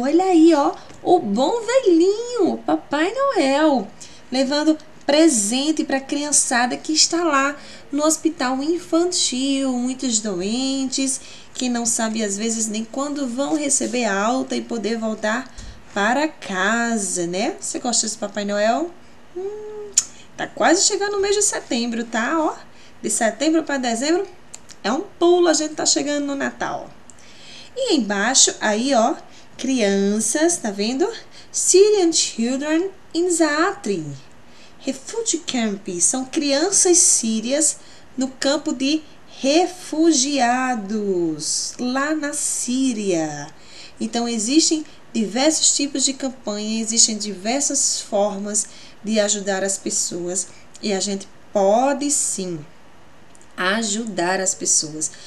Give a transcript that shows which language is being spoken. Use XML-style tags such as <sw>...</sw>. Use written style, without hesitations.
<pt>Olha aí, ó, o bom velhinho, Papai Noel, levando presente para a criançada que está lá no hospital infantil, muitos doentes que não sabem às vezes nem quando vão receber alta e poder voltar para casa, né? Você gosta desse Papai Noel? Tá quase chegando o mês de setembro, tá? Ó, de setembro para dezembro é um pulo, a gente tá chegando no Natal. E embaixo, aí, ó, crianças, tá vendo?</pt> <en>Syrian children in Zaatari. Refugee camp.</en> <pt>São crianças sírias no campo de refugiados, lá na Síria. Então, existem diversos tipos de campanha, existem diversas formas de ajudar as pessoas e a gente pode sim ajudar as pessoas.</pt>